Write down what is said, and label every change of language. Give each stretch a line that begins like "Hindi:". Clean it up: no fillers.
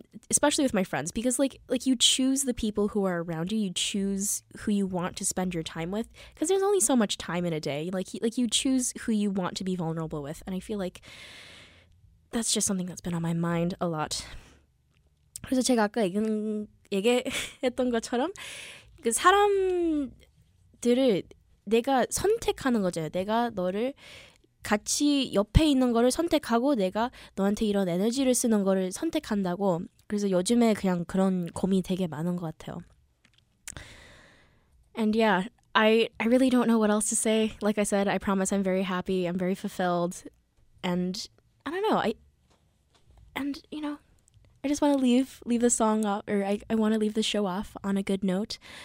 English: Especially with my friends, because, like you choose the people who are around you, you choose who you want to spend your time with, because there's only so much time in a day. Like, you choose who you want to be vulnerable with, and I feel like that's just something that's been on my mind a lot.
Korean: 그래서 제가 아까 얘기했던 것처럼 그 사람들을 내가 선택하는 거죠. 내가 너를 같이 옆에 있는 거를 선택하고 내가 너한테 이런 에너지를 쓰는 거를 선택한다고 그래서 요즘에 그냥 그런 고민이 되게 많은 것 같아요.
English: And yeah, I really don't know what else to say. Like I said, I promise I'm very happy. I'm very fulfilled. And I don't know. And, you know, I just want to leave the song off, or I want to leave the show off on a good note.